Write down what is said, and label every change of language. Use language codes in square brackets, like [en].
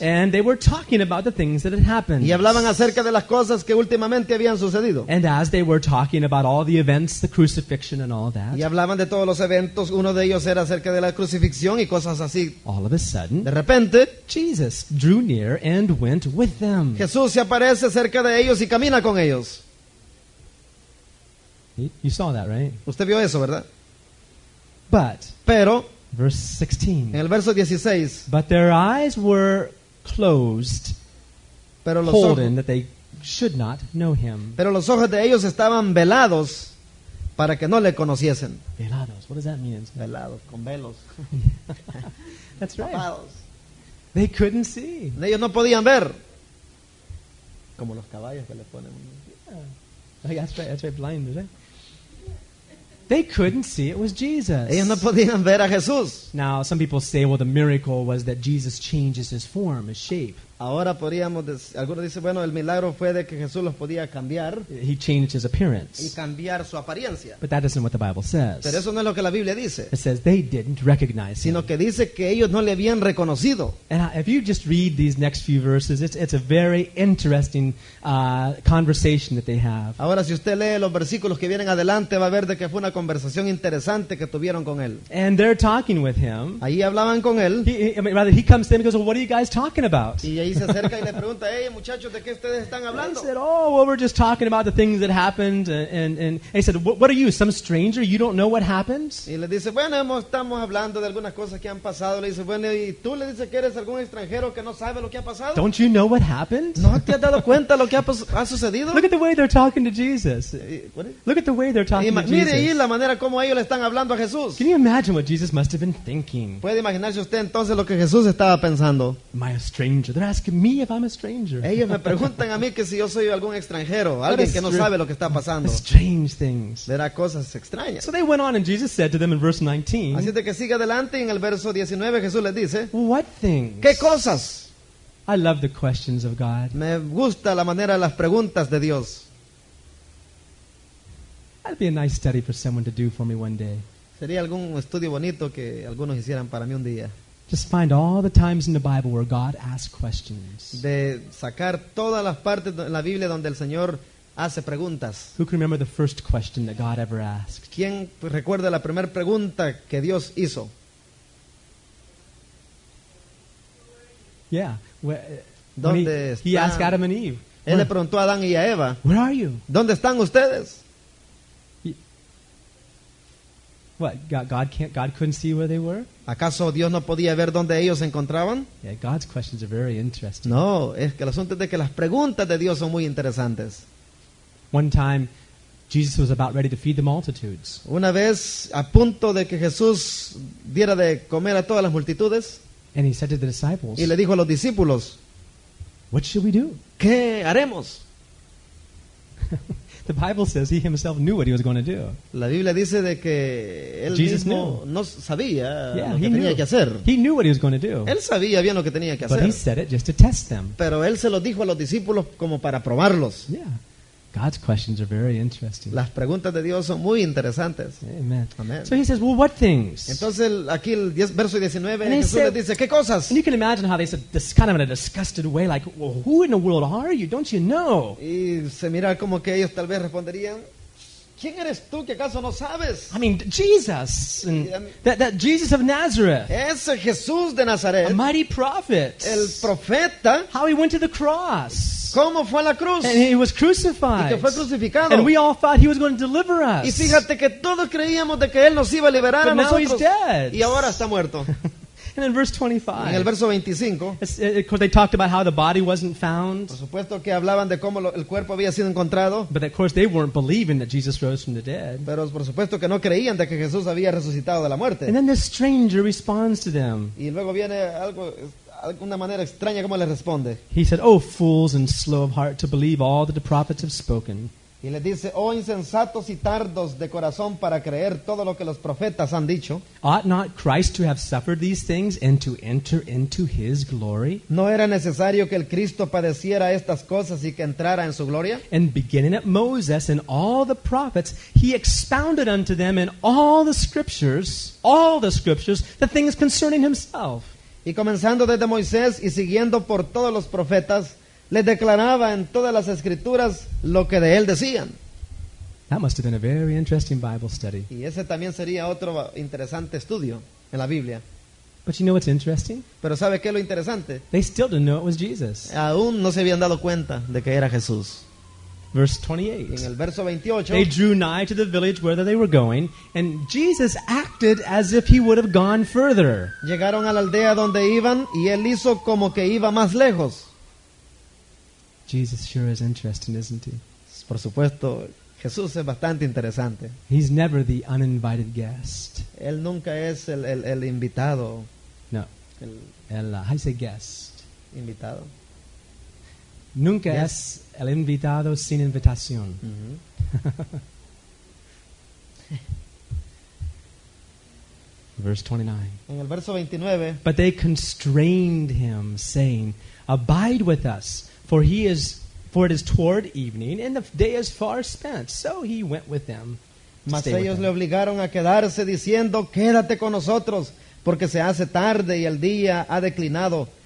[en] And they were talking about the things that had happened. [es] Y hablaban acerca de las cosas que últimamente habían sucedido. [en] And as they were talking about all the events, the crucifixion and all that. [es] Y hablaban de todos los eventos. Uno de ellos era acerca de la crucifixión y cosas así. [en] All of a sudden, [es] de repente, [en] Jesus drew near and went with them. [es] Jesús se aparece cerca de ellos y camina con ellos. [en] You saw that, right? [es] Usted vio eso, ¿verdad? [en] But, [es] pero, [en] verse 16. [es] En el verso 16. [en] But their eyes were closed, [es] pero los [en] holding [es] ojos, [en] that they should not know him. [es] Pero los ojos de ellos estaban velados para que no le conociesen. [en] Velados. What does that mean? [es] Velados, con velos. [en] That's right. [es] Tapados. [en] They couldn't see. [es] Ellos no podían ver. Como los caballos que le ponen. [en] That's right, blind, isn't it? They couldn't see it was Jesus. [es] Ellos no podían ver a Jesús. [en] Now, some people say, well, the miracle was that Jesus changes his form, his shape. [es] Ahora podríamos decir, algunos dicen, bueno, el milagro fue de que Jesús los podía cambiar. [en] He changed his appearance. [es] Y cambiar su apariencia. [en] But that isn't what the Bible says. [es] Pero eso no es lo que la Biblia dice. [en] It says they didn't recognize [es] sino [en] him. [es] Sino que dice que ellos no le habían reconocido. [en] And if you just read these next few verses, it's a very interesting conversation that they have. [es] Ahora, si usted lee los versículos que vienen adelante, va a ver de que fue una conversación interesante que tuvieron con él. [en] And they're talking with him. [es] Ahí hablaban con él. [en] He comes to them and goes, well, what are you guys talking about? [es] Y ahí se acerca y le pregunta, hey, muchachos, ¿de qué ustedes están hablando? [en] He said, oh, well, we're just talking about the things that happened. And he said, what are you, some stranger? You don't know what happened? [es] Y le dice, bueno, estamos hablando de algunas cosas que han pasado. Le dice, bueno, ¿y tú le dices que eres algún extranjero que no sabe lo que ha pasado? [en] Don't you know what happened? [es] ¿No te has dado cuenta lo que ha sucedido? [en] Look at the way they're talking to Jesus. Look at the way they're talking to Jesus. [es] Mire ahí la manera como ellos le están hablando a Jesús. [en] Can you imagine what Jesus must have been thinking? [es] ¿Puede imaginarse usted entonces lo que Jesús estaba pensando? [en] Am I a stranger? Ask me if I'm a stranger. [es] Ellos me preguntan a mí que si yo soy algún extranjero, alguien que no sabe lo que está pasando. [en] Strange things. [es] Verá cosas extrañas. [en] So they went on and Jesus said to them in verse 19. [es] Así de que sigue adelante en el verso 19 Jesús les dice. [en] What things? [es] ¿Qué cosas? [en] I love the questions of God. [es] Me gusta la manera de las preguntas de Dios. [en] That'd be a nice study for someone to do for me one day. [es] Sería algún estudio bonito que algunos hicieran para mí un día. [en] Just find all the times in the Bible where God asks questions. [es] De sacar todas las partes en la Biblia donde el Señor hace preguntas. [en] Who can remember the first question that God ever asked? [es] ¿Quién recuerda la primera pregunta que Dios hizo? [en] Yeah. [es] ¿Dónde están? [en] He asked Adam and Eve. [es] Él le preguntó a Adán y a Eva. [en] Where are you? [es] ¿Dónde están ustedes? [en] What? God couldn't see where they were? [es] ¿Acaso Dios no podía ver dónde ellos se encontraban? [en] Yeah, God's questions are very interesting. [es] No, es que el asunto es de que las preguntas de Dios son muy interesantes. [en] One time, Jesus was about ready to feed the multitudes. [es] Una vez, a punto de que Jesús diera de comer a todas las multitudes, [en] and he said to the disciples, [es] y le dijo a los discípulos, [en] what should we do? [es] ¿Qué haremos? [en] The Bible says he himself knew what he was going to do. [es] La Biblia dice de que él [en] Jesus [es] mismo [en] knew. [es] No sabía [en] yeah, [es] lo que tenía [en] knew. [es] Que hacer. [en] He knew what he was going to do. [es] Él sabía bien lo que tenía que [en] but But he said it just to test them. [es] Pero él se lo dijo a los discípulos como para probarlos. [en] Yeah. God's questions are very interesting. [es] Las preguntas de Dios son muy interesantes. [en] Amen. [es] Amen. [en] So he says, well, what things? [es] Entonces aquí el verso 19 Jesús les dice, ¿qué cosas? [en] And you can imagine how they said this kind of in a disgusted way, like, well, who in the world are you? Don't you know? [es] Y se mira como que ellos tal vez responderían, ¿quién eres tú que acaso no sabes? [en] I mean, Jesus. That Jesus of Nazareth. [es] Ese Jesús de Nazaret. [en] A mighty prophet. [es] El profeta. [en] How he went to the cross. [es] ¿Cómo fue la cruz? [en] And he was crucified. [es] Y que fue crucificado. [en] And we all thought he was going to deliver us. [es] Y fíjate que todos creíamos de que él nos iba a liberar [en] but [es] a nosotros. [en] Now he's dead. [es] Y ahora está muerto. [en] And in verse 25, [es] en el verso 25, [en] of course they talked about how the body wasn't found. [es] Por supuesto que hablaban de cómo el cuerpo había sido encontrado. [en] But of course they weren't believing that Jesus rose from the dead. [es] Pero por supuesto que no creían de que Jesús había resucitado de la muerte. [en] And then this stranger responds to them. [es] Y luego viene algo, alguna manera extraña cómo le responde. [en] He said, "Oh fools and slow of heart to believe all that the prophets have spoken." [es] Y le dice, oh insensatos y tardos de corazón para creer todo lo que los profetas han dicho. [en] Ought not Christ to have suffered these things and to enter into his glory? [es] ¿No era necesario que el Cristo padeciera estas cosas y que entrara en su gloria? [en] And beginning at Moses and all the prophets, he expounded unto them in all the scriptures, the things concerning himself. [es] Y comenzando desde Moisés y siguiendo por todos los profetas, le declaraba en todas las escrituras lo que de él decían. [en] That must have been a very interesting Bible study. [es] Y ese también sería otro interesante estudio en la Biblia. [en] But you know what's interesting? [es] Pero ¿sabe qué es lo interesante? [en] They still didn't know it was Jesus. [es] Aún no se habían dado cuenta de que era Jesús. [en] Verse 28. [es] En el verso 28. [en] They drew nigh to the village where they were going, and Jesus acted as if he would have gone further. [es] Llegaron a la aldea donde iban y él hizo como que iba más lejos. [en] Jesus sure is interesting, isn't he? [es] Por supuesto, Jesús es bastante interesante. [en] He's never the uninvited guest. [es] Él nunca es el invitado. [en] No. How do you say guest? [es] Invitado. Nunca yes. Es el invitado sin invitación. [en] Verse 29. [es] En el verso 29. [en] But they constrained him, saying, "Abide with us." For it is toward evening, and the day is far spent. So he went with them. [es] Mas ellos le obligaron a quedarse, diciendo, quédate con nosotros, porque se hace tarde y el día ha declinado.